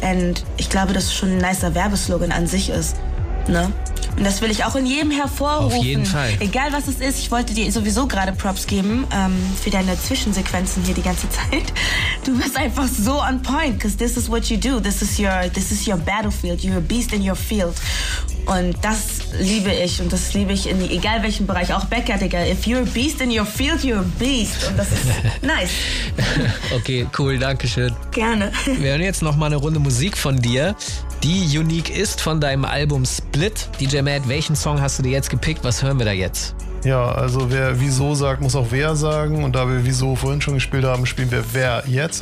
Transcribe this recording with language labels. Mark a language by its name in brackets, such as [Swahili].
[German] Und ich glaube, das ist schon ein nicer Werbeslogan an sich ist. Ne? Und das will ich auch in jedem hervorrufen. Auf jeden Fall. Egal was es ist, ich wollte dir sowieso gerade Props geben für deine Zwischensequenzen hier die ganze Zeit. Du bist einfach so [English] on point, because this is what you do. This is your battlefield, you're a beast in your field. [German] Und das liebe ich und das liebe ich in egal welchem Bereich, auch Bäcker, Digga. [English] If you're a beast in your field, you're a beast. [German] Und das ist nice. Okay, cool, danke schön. Gerne. Wir hören jetzt nochmal eine Runde Musik von dir, die unique ist von deinem Album Split. DJ Matt, welchen Song hast du dir jetzt gepickt? Was hören wir da jetzt? Ja, also wer wieso sagt, muss auch wer sagen. Und da wir wieso vorhin schon gespielt haben, spielen wir wer jetzt.